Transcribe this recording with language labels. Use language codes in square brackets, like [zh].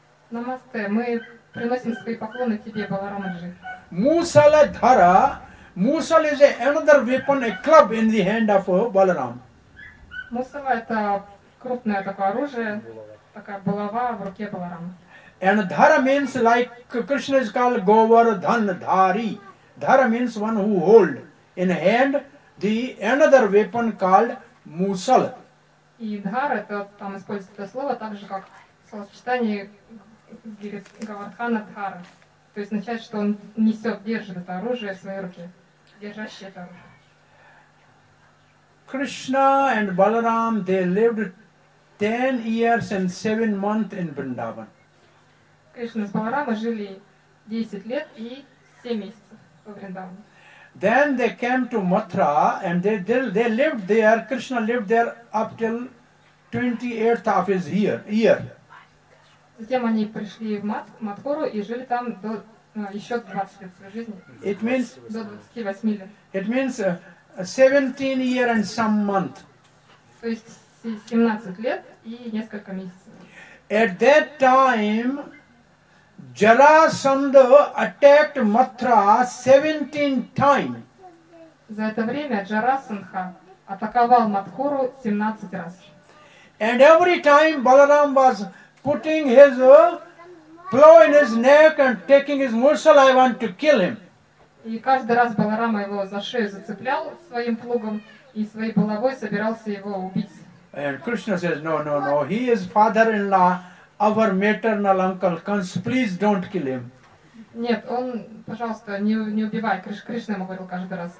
[ru] Намасте, мы приносим свои поклоны тебе, Баларамаджи. Мусала Дхара. [en] Мусала is another weapon, a club in the hand of Баларам. [ru] Мусала это крупное такое оружие, такая булава в руке Баларама. [en] And Дхара means like Krishna is called Govardhan Dhari. Дхара means one who hold in hand the another weapon called Мусала. [ru] И Дхара, это там используется слово так же, как словосочетание Гавардхана Дхара, то есть означает, что он несет, держит это оружие в своей руке, держащее это оружие. [en] Krishna and Balaram, they lived 10 years and 7 months in Vrindavan. [ru] Krishna and Balaram жили 10 лет и 7 месяцев в Вриндаване. [en] Then they came to Mathura and they lived there, Krishna lived there up till 28th of his year. [ru] Затем они пришли в Матхуру и жили там до еще 20 лет своей жизни. [en] It means, [ru] до 28 лет. [en] It means 17 year and some month. [ru] То есть 17 лет и несколько месяцев. [en] At that time, Jarasandha attacked Mathura 17 times. [ru] За это время Джарасандха атаковал Матхуру 17 раз. [en] And every time Balaram was putting his plow in his neck and taking his morsel, I want to kill him. [ru] И каждый раз Баларама его за шею зацеплял своим плугом и своей булавой собирался его убить. [en] And Krishna says, no, he is father-in-law, our maternal uncle, please don't kill him. [ru] Нет, он, пожалуйста, не убивай. Кришна ему говорил каждый раз.